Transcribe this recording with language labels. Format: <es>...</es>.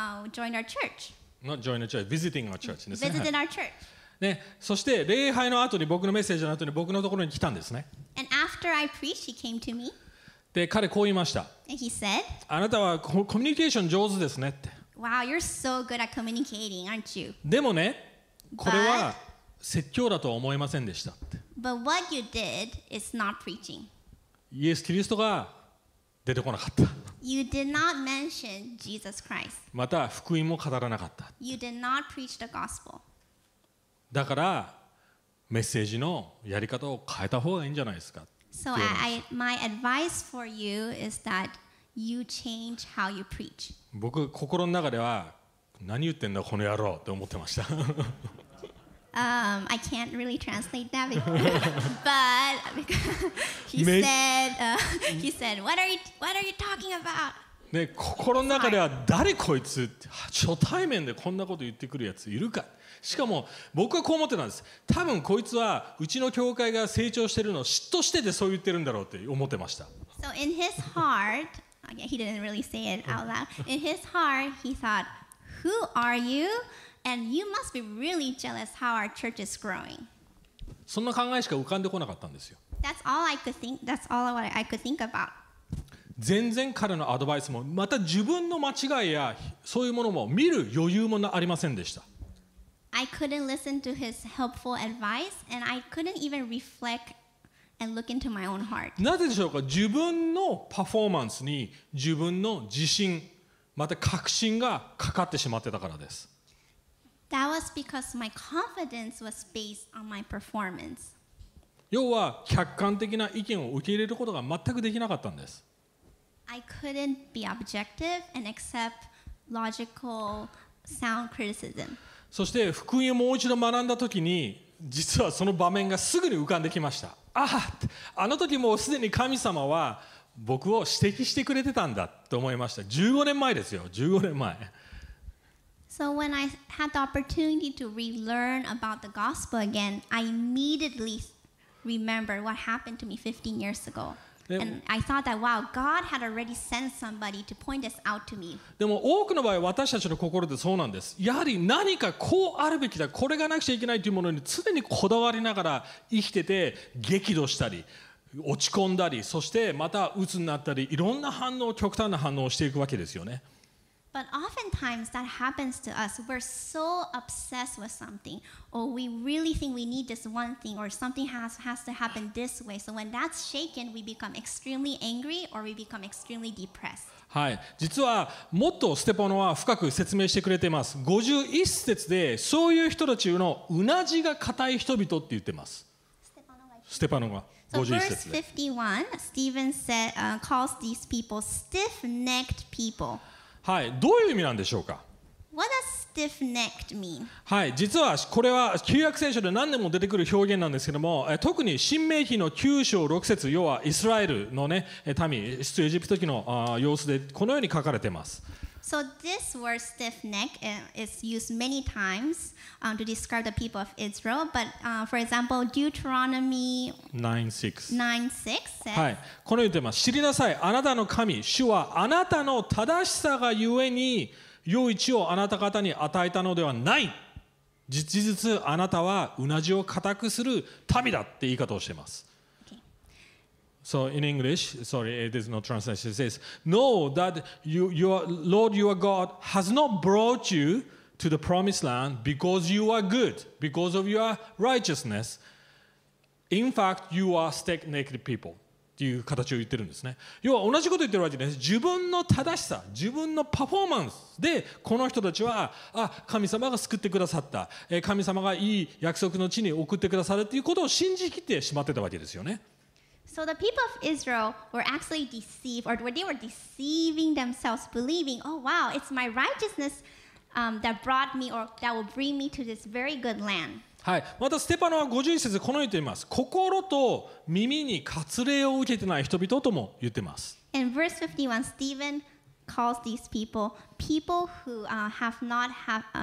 <en>join our church. Not join our church, visiting our church. Visiting our church.</en> <ja>ね、そして礼拝の後に僕のメッセージの後に僕のところに来たんですね。</ja> <en>And after I preached, he came to me.</en> <ja>で、彼こう言いました。</ja> <en>And he said,</en> <ja>あなたはコミュニケーション上手ですねって。</ja> <en>Wow, you're so good at communicating, aren't you?</en> <ja>でもね、これは説教だとは思いませんでしたって。</ja> <en>But what you did is not preaching.</en> <ja>イエス・キリストが出てこなかった。</ja> <en>You did not mention Jesus Christ.</en> <ja>また福音も語らなかった。</ja> <en>You did not preach the gospel.</en> <ja>だからメッセージのやり方を変えた方がいいんじゃないですか。</ja> <en>So I, my advice for you is that you change how you preach.</en> <ja>僕心の中では何言ってんだこの野郎って思ってました。</ja> <en>I can't really translate that, but he said, he said, what are you talking about?</en> <ja>ね、心の中では誰こいつ初対面でこんなこと言ってくるやついるか。しかも僕はこう思ってたんです。多分こいつはうちの教会が成長してるのを嫉妬しててそう言ってるんだろうって思ってました。</ja> <en>So in his heart, he didn't really say it out loud. In his heart, he thought, "Who are you? And you must be really jealous how our church is growing."</en> <ja>そんな考えしか浮かんでこなかったんですよ。</ja> <en>That's all I could think. That's all what I could think about.</en> <ja>全然彼のアドバイスもまた自分の間違いやそういうものも見る余裕もありませんでした。</ja> <en>I couldn't listen to his helpful advice and I couldn't even reflect and look into my own heart.</en> <ja>なぜでしょうか？自分のパフォーマンスに自分の自信また確信がかかってしまってたからです。</ja> <en>That was because my confidence was based on my performance.</en> <ja>要は客観的な意見を受け入れることが全くできなかったんです。</ja> <en>I couldn't be objective and accept logical, sound criticism.</en> <ja>そして福音をもう一度学んだ時に、実はその場面がすぐに浮かんできました。ああ、あの時もうすでに神様は僕を指摘してくれてたんだと思いました。 15年前ですよ、15年前。</ja> <en>So when I had the opportunity to relearn about the gospel again, I immediately remembered what happened to me 15 years ago. And I thought that, wow, God had already sent somebody to point this out to me.</en> <ja>でも多くの場合私たちの心でそうなんです。やはり何かこうあるべきだ、これがなくちゃいけないというものに常にこだわりながら生きてて激怒したり落ち込んだり、そしてまた鬱になったり、いろんな反応、極端な反応をしていくわけですよね。</ja> <en>But oftentimes that happens to us. We're so obsessed with something, or we really think we need this one thing, or something has to happen this way. So when that's shaken, we become extremely angry, or we become extremely depressed.</en> <ja>はい、実はもっとステパノは深く説明してくれています。 51節でそういう人たちのうなじが硬い人々って言ってます。ステパノが 51節で。</ja> <en>So verse 51, Stephen said, calls these people stiff-necked people.</en> <ja>はい、どういう意味なんでしょうか。</ja> <en>What does stiff-necked mean?</en> <ja>はい、実はこれは旧約聖書で何でも出てくる表現なんですけども、特に申命記の9章6節、要はイスラエルの、ね、民、出エジプト記の様子でこのように書かれています。</ja> <en>So this word stiff-neck is used many times to describe the people of Israel. But for example, Deuteronomy 9:6 says,</en> <ja>はい、この言ってます。知りなさい、あなたの神、主はあなたの正しさがゆえに良い地をあなた方に与えたのではない。実質あなたはうなじを固くする民だって言い方をしています。</ja> <en>So in English, sorry, there's no translation. It says, "Know that your Lord, your God, has not brought you to the promised land because you are good, because of your righteousness. In fact, you are stiff-necked people."</en> <ja>という形を言ってるんですね。要は同じこと言ってるわけです。自分の正しさ、自分のパフォーマンスでこの人たちは、あ、神様が救ってくださった、神様がいい約束の地に送ってくださるということを信じきってしまってたわけですよね。</ja> <en>So the people of Israel were actually deceived, or they were deceiving themselves, believing, oh wow, it's my righteousness that brought me, or that will bring me to this very good land.</en> <ja>はい、またステパノは51節でこのように言っています。心と耳に割礼を受けてない人々とも言っています。</ja> <en>In verse 51, Stephen calls these people, people who have not have,</en>